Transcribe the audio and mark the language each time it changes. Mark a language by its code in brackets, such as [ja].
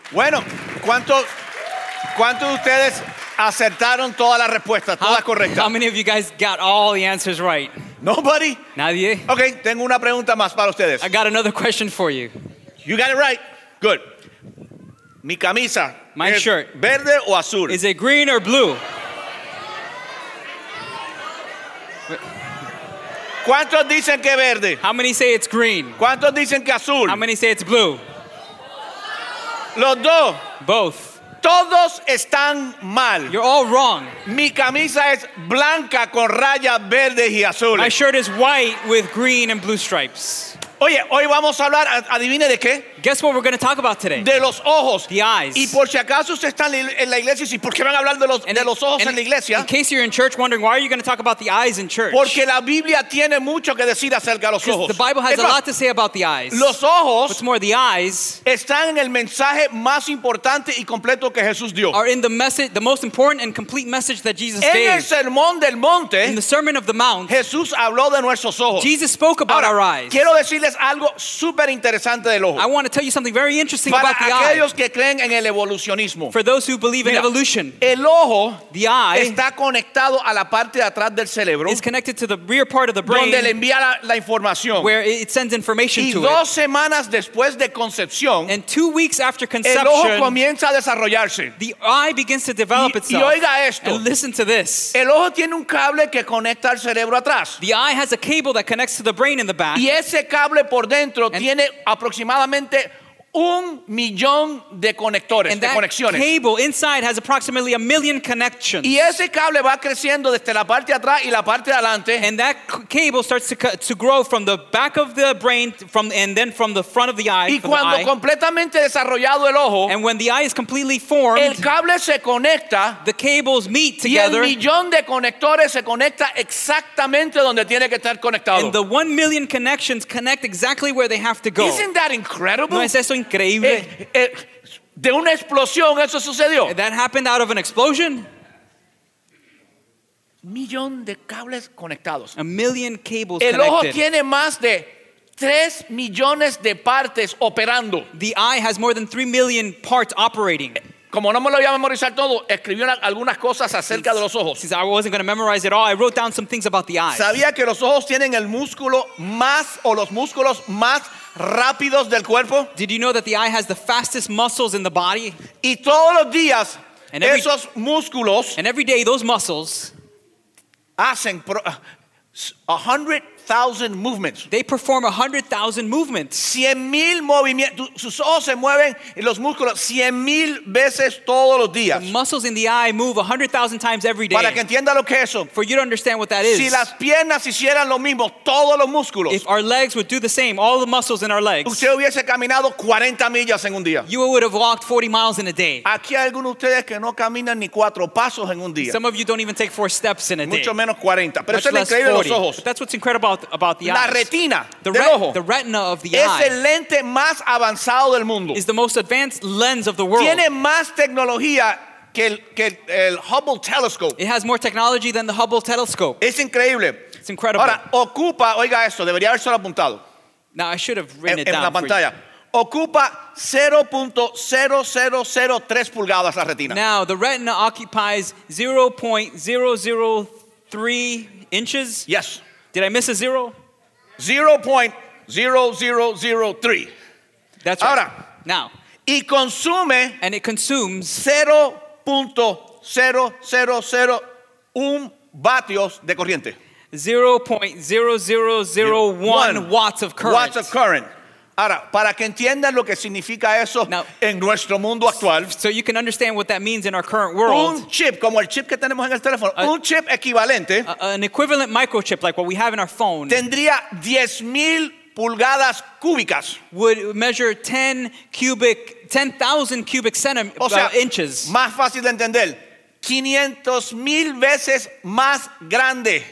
[es] Bueno, ¿cuántos de ustedes acertaron todas las respuestas, todas correctas? [en] How many of you guys got all the answers right? Nobody. [es] Nadie. Okay, tengo una pregunta más para ustedes. [en] I got another question for you. You got it right. Good. [es] Mi camisa. [en] My shirt. [es] ¿Verde o azul? [en] Is it green or blue? [es] ¿Cuántos dicen que verde? [en] How many say it's green? [es] ¿Cuántos dicen que azul? [en] How many say it's blue? [es] Los dos. [en] Both. [es] Todos están mal. [en] You're all wrong. [es] Mi camisa es blanca con rayas verdes y azules. [en] My shirt is white with green and blue stripes. [es] Oye, hoy vamos a hablar, adivine de qué. [en] Guess what we're going to talk about today. [es] De los ojos. [en] The eyes. [es] Y por si acaso usted está en la iglesia, ¿sí? ¿Por qué van a hablar de los ojos en la iglesia? [en] In case you're in church wondering, why are you going to talk about the eyes in church? [es] Porque la Biblia tiene mucho que decir acerca de los ojos. [en] The Bible has a lot to say about the eyes. [es] Los ojos, [en] what's more, the eyes, [es] están en el mensaje más importante y completo que Jesús dio. [en] Are in the message, the most important and complete message that Jesus gave. [es] En el sermón del monte, [en] in the Sermon of the Mount, [es] Jesús habló de nuestros ojos. [en] Jesus spoke about [es] Ahora, [en] our eyes. [es] Quiero decirles algo súper interesante del ojo. [en] I want to tell you something very interesting [es] Para [en] about the eye. [es] Para aquellos que creen en el evolucionismo. [en] For those who believe in evolution. [es] El ojo, [en] the eye, [es] está conectado a la parte de atrás del cerebro. [en] Is connected to the rear part of the brain. [es] Donde le envía la información. [en] Where it sends information [es] y [en] to it. [es] Y dos semanas después de concepción. [en] And 2 weeks after conception. [es] El ojo comienza a desarrollarse. [en] The eye begins to develop itself. [es] Y oiga esto. [en] And listen to this. [es] El ojo tiene un cable que conecta al cerebro atrás. [en] The eye has a cable that connects to the brain in the back. [es] Y ese cable por dentro tiene aproximadamente 1 millón de conectores, [en] and that [es] de conexiones. [en] Cable inside has approximately 1 million connections. [es] Y ese cable va creciendo desde la parte de atrás y la parte de adelante. [en] And that cable starts to grow from the back of the brain from and then from the front of the eye. [es] Y cuando completamente desarrollado el ojo, [en] and when the eye is completely formed, [es] el cable se conecta, [en] the cables meet together. [es] Y el millón de conectores se conecta exactamente donde tiene que estar conectado. [en] And the 1 million connections connect exactly where they have to go. Isn't that incredible? [es] No, increíble. De una explosión eso sucedió. [en] That happened out of an explosion. [es] Millón de cables conectados. [en] A million cables [es] El [en] connected. [es] Ojo tiene más de 3 millones de partes operando. [en] The eye has more than 3 million parts operating. [es] Como no me lo voy a memorizar todo, escribí algunas cosas acerca de los ojos. [en] Since I wasn't going to memorize it all, I wrote down some things about the eyes. [es] Sabía que los ojos tienen el músculo más o los músculos más rápidos del cuerpo. [en] Did you know that the eye has the fastest muscles in the body? [es] Y todos los días, esos músculos, [en] and every day those muscles [es] hacen 100,000 movements. [en] They perform 100,000 movements. [es] 100,000 movimientos. Sus ojos se mueven en los músculos 100,000 veces todos los días. [en] The muscles in the eye move 100,000 times every day. [es] Para que entienda lo que es eso. [en] For you to understand what that is. [es] Si las piernas hicieran lo mismo, todos los músculos. [en] If our legs would do the same, all the muscles in our legs. [es] Usted hubiese caminado 40 millas en un día. [en] You would have walked 40 miles in a day. [es] Aquí hay algunos de ustedes que no caminan ni 4 pasos en un día. [en] Some of you don't even take 4 steps in a day. [es] Mucho menos 40. Pero eso es increíble los ojos. [en] But that's what's incredible about the eyes. [es] La retina, [en] the retina of the [es] es [en] eye, [es] es el lente más avanzado del mundo. [en] Is the most advanced lens of the world. [es] Tiene más tecnología que el Hubble telescope. [en] It has more technology than the Hubble telescope. [es] Es increíble. [en] It's incredible. [es] Ahora ocupa, oiga esto, debería haberse lo apuntado. [en] Now I should have written it down. [es] En la pantalla. Ocupa 0.0003 pulgadas la retina. [en] Now the retina occupies 0.003 inches. Yes. Did I miss a zero? 0.0003. That's right. [es] Ahora, [en] now. [es] Y consume. [en] And it consumes. [es] 0.0001 vatios de corriente. [en] 0.0001 watts of current. Watts of current. [es] Ahora, para que entiendan lo que significa eso [en] now, [es] en nuestro mundo actual. [en] So you can understand what that means in our current world. [es] Un chip, como el chip que tenemos en el teléfono, un chip equivalente. [en] An equivalent microchip like what we have in our phone. [es] Tendría 10,000 pulgadas cúbicas. [en] Would measure 10,000 cubic centimeters, [es] o sea, [en] inches. [es] Más fácil de entender. 500,000 veces más grande.